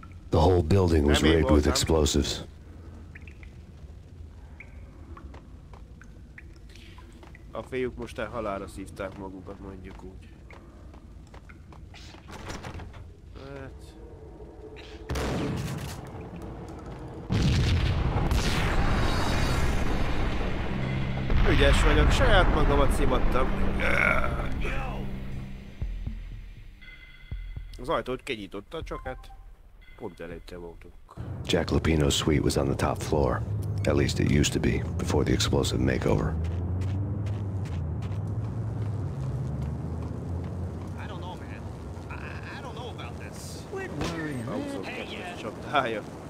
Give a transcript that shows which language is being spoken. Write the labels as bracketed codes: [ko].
[en] The whole building was rigged with explosives. [hu] A fiúk most el halálra szívták magukat, mondjuk úgy. Ügyes vagyok, saját magamat szivattam. Az ajtót kinyitotta, csak hát pont előtte voltunk. [en] Jack Lupino's suite was on the top floor. At least it used to be, before the explosive makeover. I don't know, man. I don't know about this. Quit worrying, man. Hey, yeah.